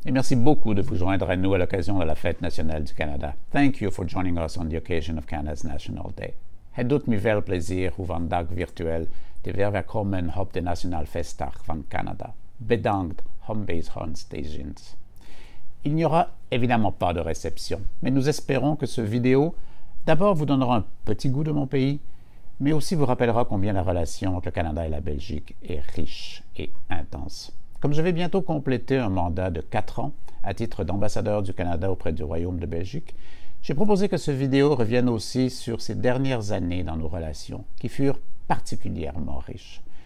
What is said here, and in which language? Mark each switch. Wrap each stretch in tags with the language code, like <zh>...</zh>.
<fr>Et merci beaucoup de vous joindre à nous à l'occasion de la fête nationale du Canada.</fr> <en>Thank you for joining us on the occasion of Canada's National Day.</en> <nl>Het doet me veel plezier hoe vandaag virtueel te verwelkomen op de nationale feestdag van Canada. Bedankt, Homebase Hans Stations.</nl> <fr>Il n'y aura évidemment pas de réception, mais nous espérons que ce vidéo, d'abord, vous donnera un petit goût de mon pays, mais aussi vous rappellera combien la relation entre le Canada et la Belgique est riche et intense. Comme je vais bientôt compléter un mandat de 4 ans à titre d'ambassadeur du Canada auprès du Royaume de Belgique, j'ai proposé que ce vidéo revienne aussi sur ces dernières années dans nos relations, qui furent particulièrement riches.</fr>